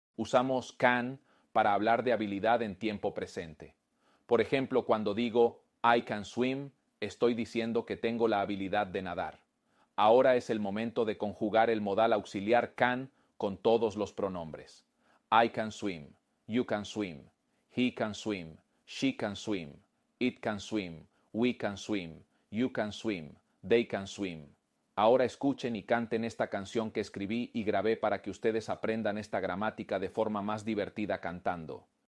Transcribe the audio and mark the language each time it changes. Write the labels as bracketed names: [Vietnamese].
[Spanish] Usamos can para hablar de habilidad en tiempo presente. Por ejemplo, cuando digo [English] I can swim, [Spanish] estoy diciendo que tengo la habilidad de nadar. Ahora es el momento de conjugar el modal auxiliar can con todos los pronombres. [English] I can swim, you can swim, he can swim, she can swim, it can swim, we can swim, you can swim, they can swim. [Spanish] Ahora escuchen y canten esta canción que escribí y grabé para que ustedes aprendan esta gramática de forma más divertida cantando.